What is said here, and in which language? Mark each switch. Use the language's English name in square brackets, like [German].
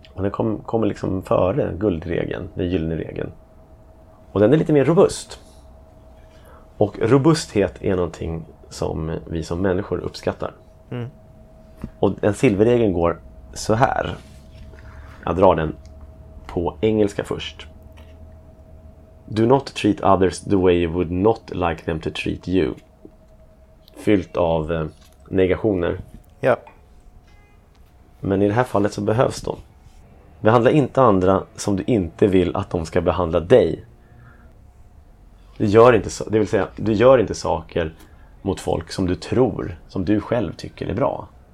[Swedish] Och den kommer liksom före guldregeln, den gyllene regeln. Och den är lite mer robust. Och robusthet är någonting som vi som människor uppskattar. Mm. Och en silverregel går så här. Jag drar den på engelska först. [English] Do not treat others the way you would not like them to treat you. [Swedish] Fyllt av negationer. Ja. Men i det här fallet så behövs de. Behandla inte andra som du inte vill att de ska behandla dig. Du gör inte så, det vill säga, du gör inte saker mot folk som du tror, som du själv tycker är bra.